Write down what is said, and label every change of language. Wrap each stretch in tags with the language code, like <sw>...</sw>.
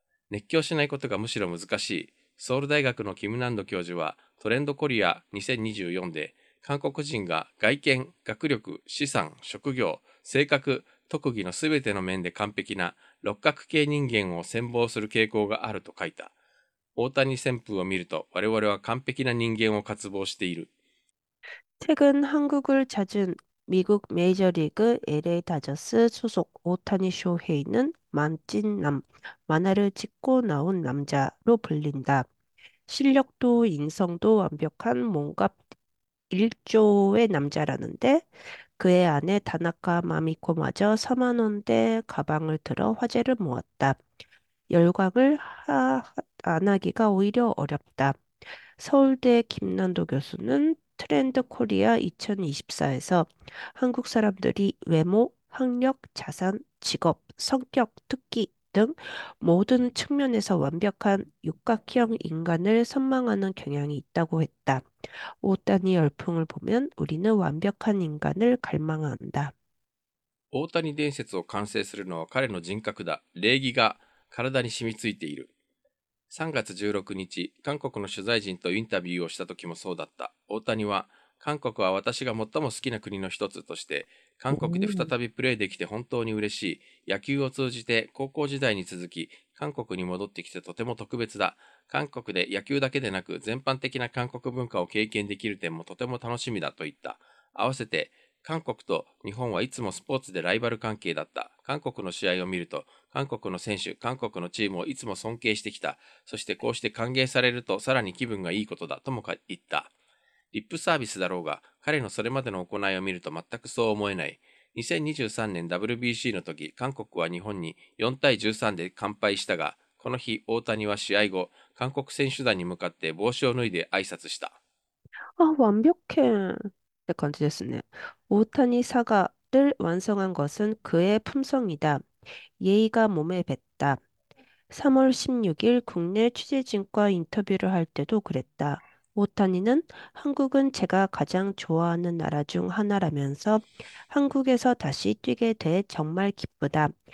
<ja>熱狂しないことがむしろ難しい。ソウル大学のキム・ナンド教授は、トレンドコリア2024で、韓国人が外見、学力、資産、職業、性格、特技のすべての面で完璧な六角形人間を羨望する傾向があると書いた。大谷旋風を見ると我々は完璧な人間を渇望している。</ja> <ko>최근 한국을 찾은 미국 메이저리그 LA 다저스 소속 오타니 쇼헤이는 만찢남, 만화를 짓고 나온 남자로 불린다. 실력도 인성도 완벽한 몸값 1조의 남자라는데 그의 아내 다나카 마미코마저 4만 원대 가방을 들어 화제를 모았다. 열광을 안하기가 오히려 어렵다. 서울대 김난도 교수는 트렌드 코리아 2024에서 한국 사람들이 외모, 학력, 자산, 직업, 성격, 특기 등 모든 측면에서 완벽한 육각형 인간을 선망하는 경향이 있다고 했다. 오타니 열풍을 보면 우리는 완벽한 인간을 갈망한다.</ko> <ja>大谷伝説を完成するのは彼の人格だ。礼儀が体に染みついている。 3月16日、韓国の取材陣とインタビューをした時もそうだった。大谷は、韓国は私が最も好きな国の一つとして、韓国で再びプレーできて本当に嬉しい。野球を通じて高校時代に続き、韓国に戻ってきてとても特別だ。韓国で野球だけでなく、全般的な韓国文化を経験できる点もとても楽しみだと言った。合わせて、韓国と日本はいつもスポーツでライバル関係だった。韓国の試合を見ると、韓国の選手、韓国のチームをいつも尊敬してきた。そしてこうして歓迎されるとさらに気分がいいことだとも言った。リップサービスだろうが、彼のそれまでの行いを見ると全くそう思えない。 2023年 WBC の時、韓国は日本に4対13で完敗したが、この日大谷は試合後、韓国選手団に向かって帽子を脱いで挨拶した。</ja> <ko>아, 완벽해.</ko> <ja>って感じですね。</ja> <ko>大谷사과를 완성한 것은 그의 품성이다. 예의가 몸에 뱄다. 3월 16일 국내 취재진과 인터뷰를 할 때도 그랬다. 오타니는 한국은 제가 가장 좋아하는 나라 중 하나라면서 한국에서 다시 뛰게 돼 정말 기쁘다.</ko>